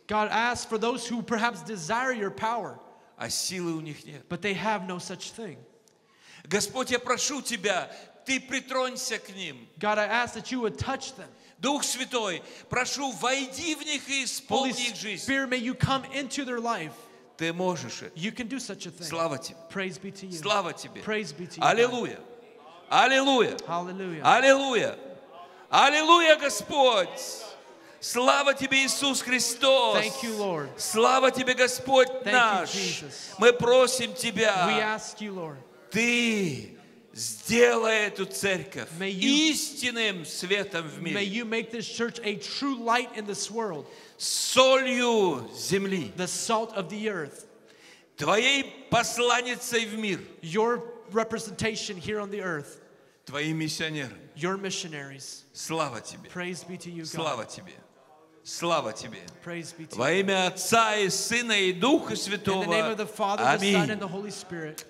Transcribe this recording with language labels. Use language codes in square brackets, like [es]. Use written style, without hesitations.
[en] God, ask for those who perhaps desire your power. [ru] А силы у них нет. [en] But they have no such thing. [ru] Господь, я прошу Тебя, Ты притронься к ним. [en] God, I ask that you would touch them. [ru] Дух Святой, прошу, войди в них и исполни их жизнь. [en] Holy Spirit, may you come into their life. [ru] Ты можешь это. [en] You can do such a thing. [ru] Слава Тебе. [en] Praise be to you. [ru] Слава Тебе. [en] Praise be to you. [ru] Аллилуйя. Аллилуйя. [en] Hallelujah. [ru] Аллилуйя. Аллилуйя, Господь. Слава Тебе, Иисус Христос. [en] Thank you, Lord. [ru] Слава Тебе, Господь [en] Thank [ru] наш. [en] You, Jesus. [ru] Мы просим Тебя. [en] We ask you, Lord. [ru] Ты сделай эту церковь истинным светом в мире. [en] May you make this church a true light in this world. [ru] Солью земли. [en] The salt of the earth. [ru] Твоей посланницей в мир. [en] Your representation here on the earth. [ru] Твои миссионеры. [en] Your missionaries. [ru] Слава тебе. [en] Praise be to you, God. [ru] Слава тебе. Слава тебе. [en] Praise be to you. [ru] Во имя Отца и Сына и Духа Святого. [en] In the name of the Father, the Son, and the Holy Spirit.